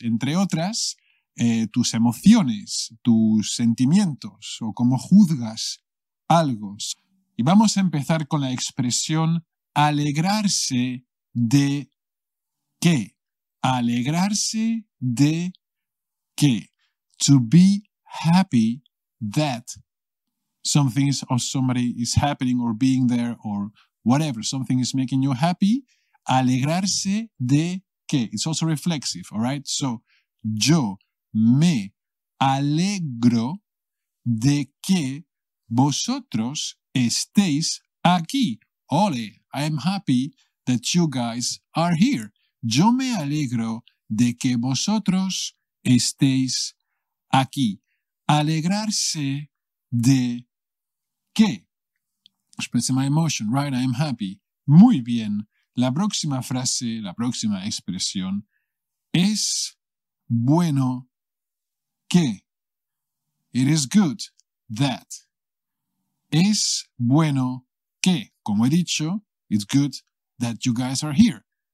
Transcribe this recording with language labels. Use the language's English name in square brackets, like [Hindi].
[Spanish] Entre otras, tus emociones, tus sentimientos o cómo juzgas algo. Y vamos a empezar con la expresión alegrarse de qué. Alegrarse de qué. [English] To be happy that something is or somebody is happening or being there or whatever. Something is making you happy. [Spanish] Alegrarse de qué. [English] It's also reflexive, all right? [Spanish] So, yo me alegro de que vosotros estéis aquí. [English] Ole, I am happy that you guys are here. [Spanish] Yo me alegro de que vosotros estéis aquí. Alegrarse de qué. [English] Expressing my emotion, right? I am happy. [Spanish] Muy bien. La próxima frase, la próxima expresión es bueno. ¿Qué? [English] It is good that. [Spanish] Es bueno que, como he dicho, [English] it's good that you guys are here.